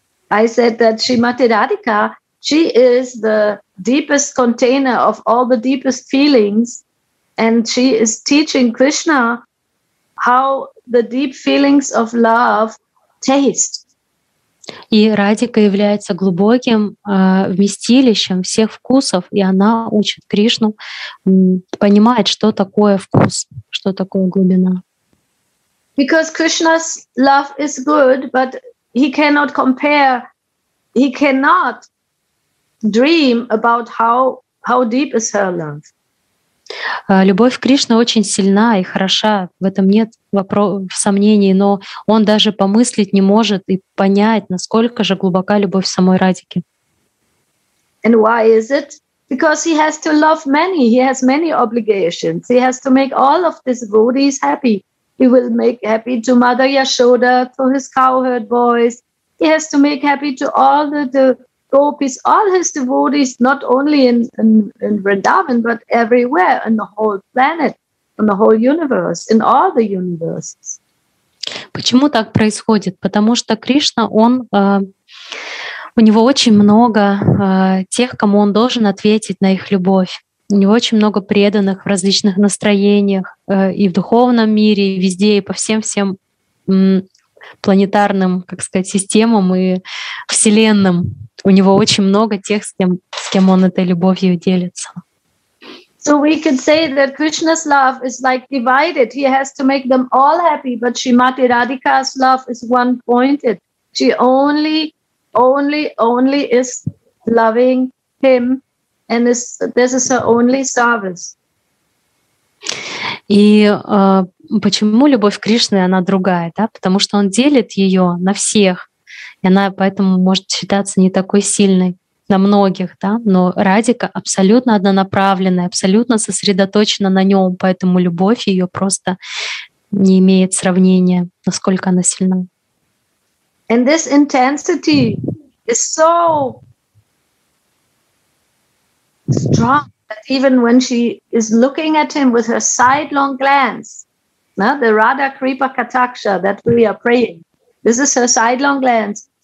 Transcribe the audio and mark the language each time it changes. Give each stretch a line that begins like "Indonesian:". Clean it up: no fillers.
English: I said that Srimati Radhika, she is the deepest container of all the deepest feelings, and she is teaching Krishna how the deep feelings of love taste.
Russian: И Радика является глубоким вместилищем всех вкусов, и она учит Кришну понимать, что такое вкус, что такое глубина.
English: Because Krishna's love is good, but he cannot compare, he cannot dream about how deep is her love.
Russian: Любовь к Кришне очень сильна и хороша, в этом нет сомнений, но он даже помыслить не может и понять, насколько же глубока любовь самой Радики.
English: And why is it? Because he has to love many, he has many obligations. He has to make all of these devotees happy. He will make happy to Mother Yashoda, to his cowherd boys. He has to make happy to all the gopis, all his devotees, not only in Vrindavan, but everywhere, in the whole planet, in the whole universe, in all the universes.
Russian: Почему так происходит? Потому что Кришна, он, у него очень много тех, кому он должен ответить на их любовь. У него очень много преданных в различных настроениях и в духовном мире, и везде, и по всем-всем планетарным, как сказать, системам и вселенным. У него очень много тех, с кем он этой любовью делится.
English: So we could say that Krishna's love is like divided. He has to make them all happy, but Srimati Radhika's love is one-pointed. She only is loving him, and this is her only service.
Russian: И почему любовь к Кришне, она другая, да? Потому что он делит ее на всех. И она поэтому может считаться не такой сильной на многих, да? Но Радика абсолютно однонаправленная, абсолютно сосредоточена на нем, поэтому любовь ее просто не имеет сравнения, насколько она сильна.
English: And this intensity is so strong that even when she is looking at him with her sidelong glance, the Radha Kripa Kataksha that we are praying, this is her sidelong glance.